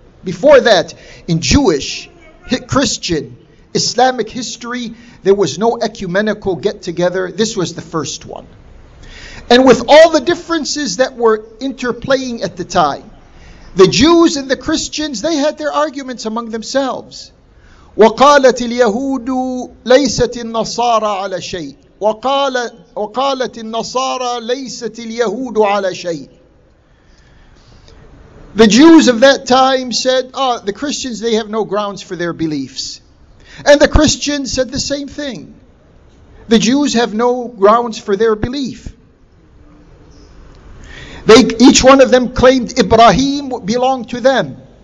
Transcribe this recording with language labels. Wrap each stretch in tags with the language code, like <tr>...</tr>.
<en>Before that, in Jewish, Christian, Islamic history, there was no ecumenical get-together. This was the first one. And with all the differences that were interplaying at the time, the Jews and the Christians, they had their arguments among themselves.</en> <ar>وقالت اليهود ليست النصارى على شيء وقالت النصارى ليست اليهود على شيء.</ar> <en>The Jews of that time said, oh, the Christians, they have no grounds for their beliefs. And the Christians said the same thing. The Jews have no grounds for their belief. Each one of them claimed Ibrahim belonged to them.</en>